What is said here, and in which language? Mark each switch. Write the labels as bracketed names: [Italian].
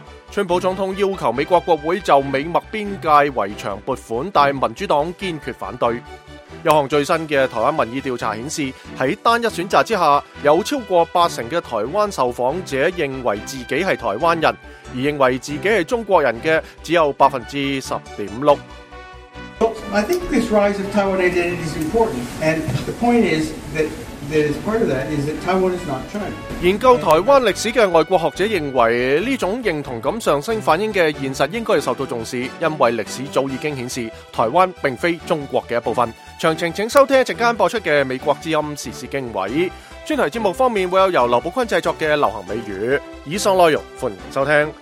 [Chinese] 川普总统要求美国国会就美墨边界围墙拨款，但民主党坚决反对。一项最新的台湾民意调查显示，在单一选择之下，有超过80%的台湾受访者认为自己是台湾人，而认为自己是中国人的只有10.6%。 [English] So, I think this rise of Taiwan identity is important, and the point is that is part of that is that Taiwan is not China. [Chinese] 研究台湾历史的外国学者认为，这种认同感上升反映的现实应该受到重视，因为历史早已经显示台湾并非中国的一部分。详情请收听一阵间播出的美国之音时事经纬。专题节目方面会有由刘宝坤制作的流行美语，以上内容欢迎收听。